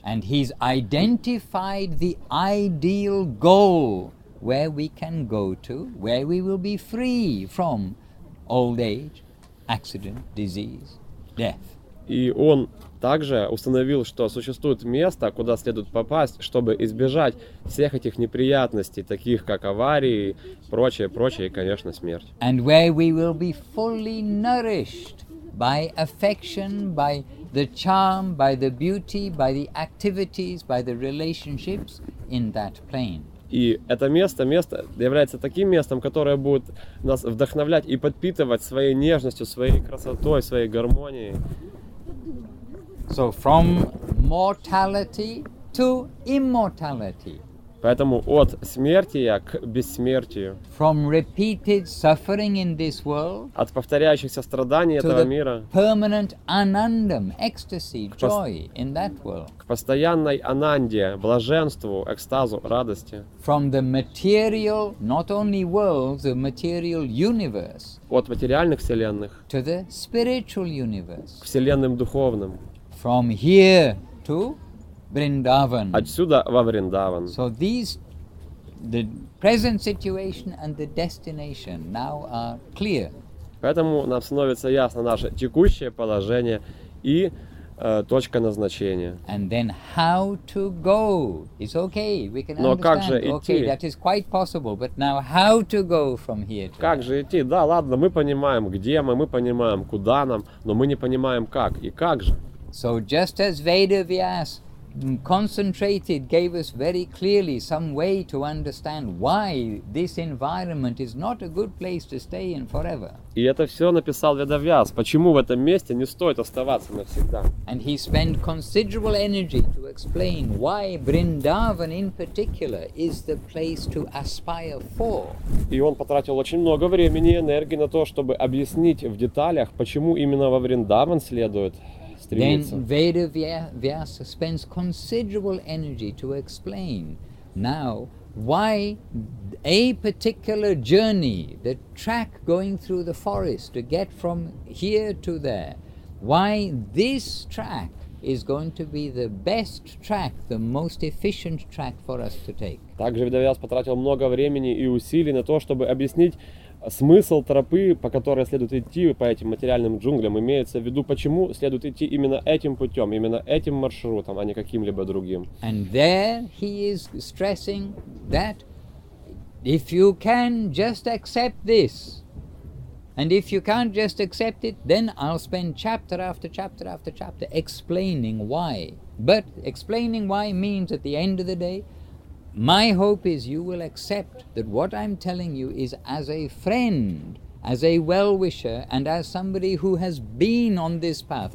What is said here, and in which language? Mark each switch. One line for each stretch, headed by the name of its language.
English: And he's identified the ideal goal where we can go to, where we will be free from old age, accident, disease, death.
Russian: И он также установил, что существует место, куда следует попасть, чтобы избежать всех этих неприятностей, таких как аварии, прочее, и, конечно, смерть.
English: And where we will be fully nourished by affection, by the charm, by the beauty, by the activities, by the relationships in that plane.
Russian: И это место является таким местом, которое будет нас вдохновлять и подпитывать своей нежностью, своей красотой, своей гармонией.
English: So from mortality to immortality.
Russian: Поэтому от смерти к бессмертию.
English: From repeated suffering in this world.
Russian: От повторяющихся страданий этого мира.
English: To the permanent anandam, ecstasy, joy in that world.
Russian: К постоянной ананде, блаженству, экстазу, радости.
English: From the material, not only world, the material universe.
Russian: От материальных вселенных.
English: To the spiritual universe.
Russian: К вселенным духовным.
English: From here to Vrindavan.
Russian: Отсюда во Вриндаван.
English: So these, the present situation and the destination now are clear.
Russian: Поэтому нам становится ясно наше текущее положение и точка назначения.
English: And then how to go? It's okay, we can
Russian: Но
English: understand.
Russian: Но как же идти?
English: Okay, that is quite possible, but now how to go from here to
Russian: Как же идти? Да, ладно, мы понимаем, где мы понимаем, куда нам, но мы не понимаем, как и как же.
English: So just as Veda Vyas concentrated, gave us very clearly some way to understand why this environment is not a good place to stay in forever.
Russian: И это все написал Веда Вьяс, почему в этом месте не стоит оставаться навсегда.
English: And he spent considerable energy to explain why Vrindavan in particular is the place to aspire for.
Russian: И он потратил очень много времени и энергии на то, чтобы объяснить в деталях, почему именно во Вриндаван следует.
English: Then Veda Vyasa spends considerable energy to explain now why a particular journey, the track going through the forest to get from here to there, why this track is going to be the best track, the most efficient track for us to take.
Russian: Также Видовяс потратил много времени и усилий на то, чтобы объяснить смысл тропы, по которой следует идти по этим материальным джунглям, имеется в виду, почему следует идти именно этим путем, именно этим маршрутом, а не каким-либо другим.
English: And there he is stressing that if you can just accept this, and if you can't just accept it, then I'll spend chapter after chapter after chapter explaining why. But explaining why means at the end of the day, my hope is you will accept that what I'm telling you is as a friend, as a well-wisher, and as somebody who has been on this path.